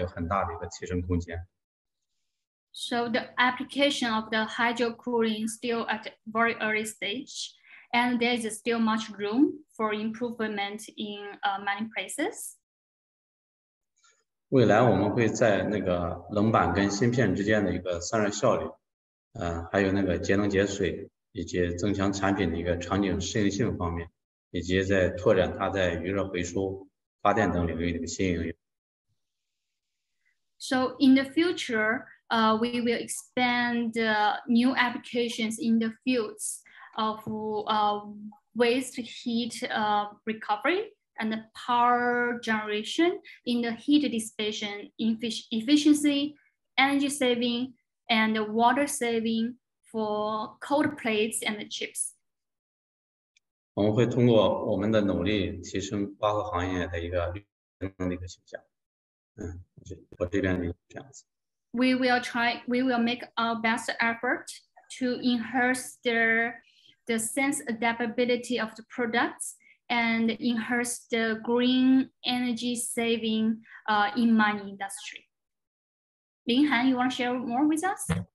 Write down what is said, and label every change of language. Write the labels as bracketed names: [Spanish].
[Chinese] 水冷在这个行业的应用现在还处在一个初级阶段，很多地方我们认为很多地方还有很大的一个提升空间。 [English] So the application of the hydro cooling still at very early stage, and there is still much room for improvement in many places. [Chinese] 未来我们会在那个冷板跟芯片之间的一个散热效率，还有那个节能节水以及增强产品的一个场景适应性方面。 [English] So in the future, we will expand new applications in the fields of waste heat recovery and the power generation in the heat dissipation, efficiency, energy saving, and water saving for cold plates and the chips. [Chinese] 我们会通过我们的努力提升巴赫行业的一个绿能的一个形象。我这边的这样子。 [English] We will make our best effort to enhance the sense adaptability of the products and enhance the green energy saving in mining industry. Lin Han, you want to share more with us?